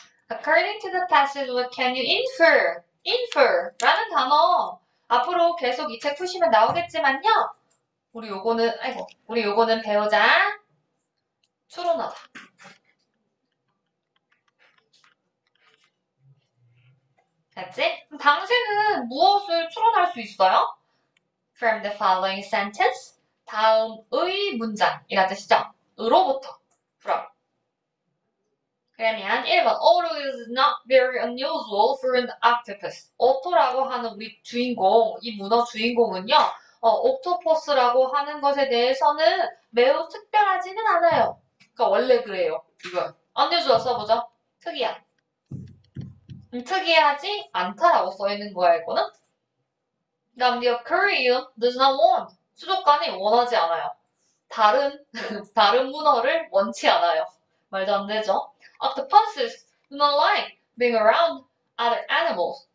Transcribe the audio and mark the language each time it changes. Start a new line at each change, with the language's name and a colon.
English: According to the passage, what can you infer?
Korean: infer 라는 단어. 앞으로 계속 이책 푸시면 나오겠지만요. 우리 요거는, 아이고, 우리 요거는 배우자. 추론어다. 됐지? 당신은 무엇을 추론할 수 있어요?
English: From the following sentence.
Korean: 다음의 문장이라는 뜻이죠. 으로부터. 그럼. 그러면 1번
English: Otto is not very unusual for an octopus.
Korean: 오토라고 하는 우리 주인공, 이 문어 주인공은요, 옥토퍼스라고 하는 것에 대해서는 매우 특별하지는 않아요. 그러니까 원래 그래요. 이거 unusual 써보죠. 특이한. 특이하지 않다라고 써있는 거야 이거는.
English: 다음 the aquarium does not want
Korean: 수족관이 원하지 않아요. 다른 문어를 원치 않아요. 말도 안 되죠?
English: Octopuses do not like being around other animals.